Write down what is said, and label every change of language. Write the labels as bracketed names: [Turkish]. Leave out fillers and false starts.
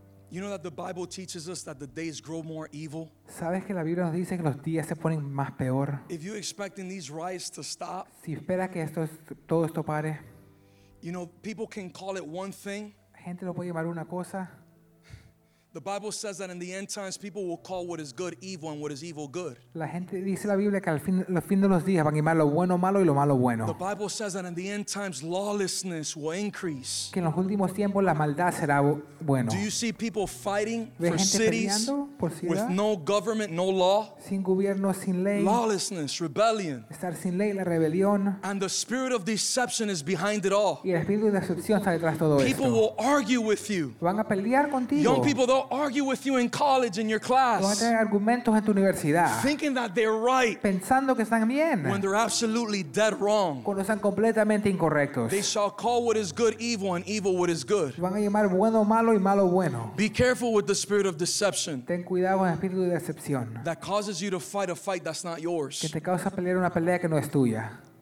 [English] You know that the Bible teaches us that the days grow more evil. [Spanish] ¿Sabes que la Biblia nos dice que los días se ponen más peor? [English] If you're expecting these riots to stop, [Spanish] si espera que esto, todo esto pare, [English] you know, people can call it one thing. [Spanish] Gente lo puede llamar una cosa. [English] The Bible says that in the end times, people will call what is good evil and what is evil good. [Spanish] La gente dice la Biblia que al fin, los fin de los días van a llamar lo bueno malo y lo malo bueno. [English] The Bible says that in the end times, lawlessness will increase. [Spanish] Que en los últimos tiempos la maldad será bueno. [English] Do you see people fighting for [Spanish] gente [English] cities [Spanish] peleando por ciudad? [English] With no government, no law? [Spanish] Sin gobierno, sin ley. [English] Lawlessness, rebellion. [Spanish] Estar sin ley, la rebelión. [English] And the spirit of deception is behind it all. [Spanish] Y el espíritu de decepción está detrás de todo [English] people [Spanish] esto. [English] People will argue with you. [Spanish] Van a pelear contigo. [English] Young people, they'll argue with you in college, in your class, [Spanish] argumentos en tu universidad, [English] thinking that they're right, [Spanish] pensando que están bien, [English] when they're absolutely dead wrong, [Spanish] cuando están completamente incorrectos. [English] They shall call what is good evil and evil what is good. [Spanish] Van a llamar bueno malo y malo bueno. [English] Be careful with the spirit of deception. [Spanish] Ten cuidado con el espíritu de decepción. [English] That causes you to fight a fight that's not yours. [Spanish] Que te causa pelear una pelea que no es tuya.